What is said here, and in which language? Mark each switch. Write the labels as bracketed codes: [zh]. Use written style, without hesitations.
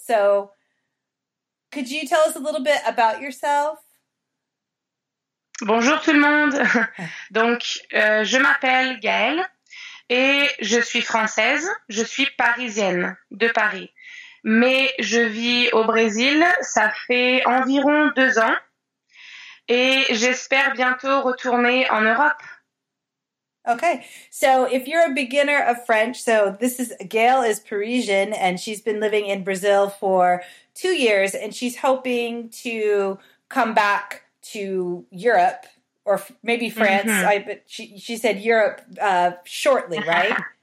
[en] So could you tell us a little bit about yourself? [fr] Bonjour tout le monde. Donc, je m'appelle Gaëlle et je suis française. Je suis parisienne de Paris, mais je vis au Brésil. Ça fait environ 2 ans et j'espère bientôt retourner en Europe. [en] Okay, so if you're a beginner of French, so this is Gaëlle is Parisian and she's been living in Brazil for 2 years and she's hoping to come back to Europe or maybe France. Mm-hmm. But she said Europe shortly, right?